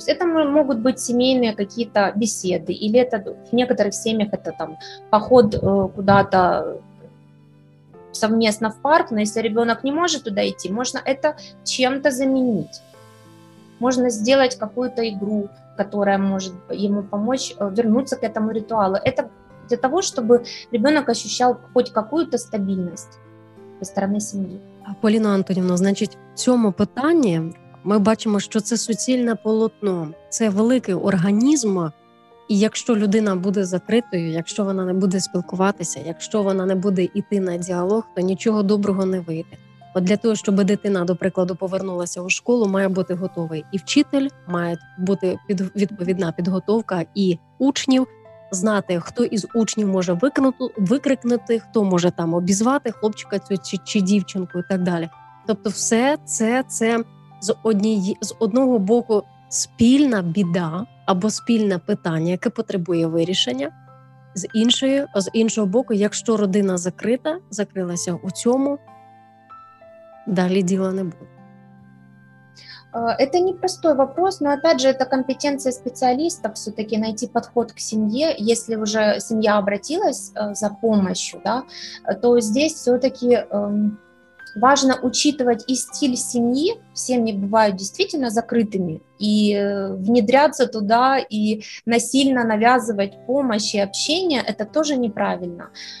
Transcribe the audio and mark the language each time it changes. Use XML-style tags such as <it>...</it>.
<ru>То есть это могут быть семейные какие-то беседы, или это в некоторых семьях это там поход куда-то совместно в парк, но если ребенок не может туда идти, можно это чем-то заменить. Можно сделать какую-то игру, которая может ему помочь вернуться к этому ритуалу. Это для того, чтобы ребенок ощущал хоть какую-то стабильность со стороны семьи.</ru> <uk>Поліна Антонівна, значить, в цьому питанні ми бачимо, що це суцільне полотно, це великий організм, і якщо людина буде закритою, якщо вона не буде спілкуватися, якщо вона не буде йти на діалог, то нічого доброго не вийде. От для того, щоб дитина, до прикладу, повернулася у школу, має бути готовий і вчитель, має бути відповідна підготовка і учнів, знати, хто із учнів може викрикнути, хто може там обізвати хлопчика цю чи дівчинку і так далі. Тобто все це з одного боку спільна біда або спільне питання, яке потребує вирішення. З іншого боку, якщо родина закрита, закрилася у цьому, далі діла не буде.</uk> <ru>Это непростой вопрос, но, опять же, это компетенция специалистов все-таки найти подход к семье. Если уже семья обратилась за помощью, да, то здесь все-таки важно учитывать и стиль семьи. Семьи бывают действительно закрытыми, и внедряться туда и насильно навязывать помощь и общение – это тоже неправильно.</ru>